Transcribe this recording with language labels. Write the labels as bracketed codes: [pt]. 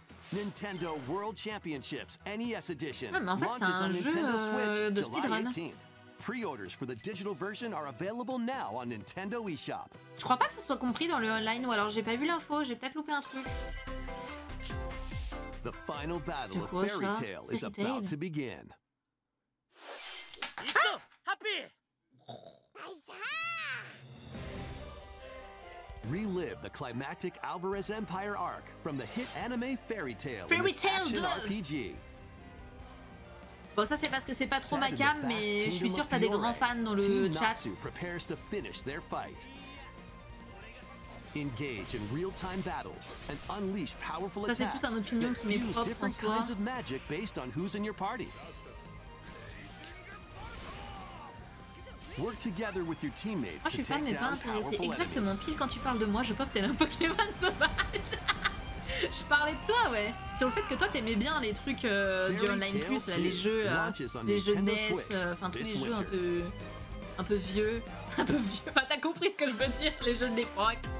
[en] Nintendo World Championships NES Edition. [fr] Non, mais en fait, c'est un jeu de speedrun. [en] Pre-orders for the digital version are available now on Nintendo eShop. [fr] Je crois pas que ce soit compris dans le online, ou alors j'ai pas vu l'info, j'ai peut-être loupé un truc. [en] The final battle of Fairy Tail is about to begin. Happy! Relive the climactic Alvarez Empire arc from the hit anime Fairy Tail in this action RPG. [fr] Bon, ça c'est parce que c'est pas trop ma cam, mais je suis sûr que t'as des grands fans dans le chat. [en] Team Natsu prepares to finish their fight. Engage in real-time battles and unleash powerful attacks. [fr] Ça c'est plus un opinion qui m'est propre en soi. [en] Use different kinds of magic based on who's in your party. Work together with your teammates to take down powerful enemies. [fr] C'est exactement pile quand tu parles de moi, je pop, t'es un Pokémon sauvage. Je parlais de toi, ouais. Sur le fait que toi, t'aimais bien les trucs du online plus, là, les jeux NES, enfin tous les jeux un peu vieux. Enfin, t'as compris ce que je veux dire, les jeux de l'époque.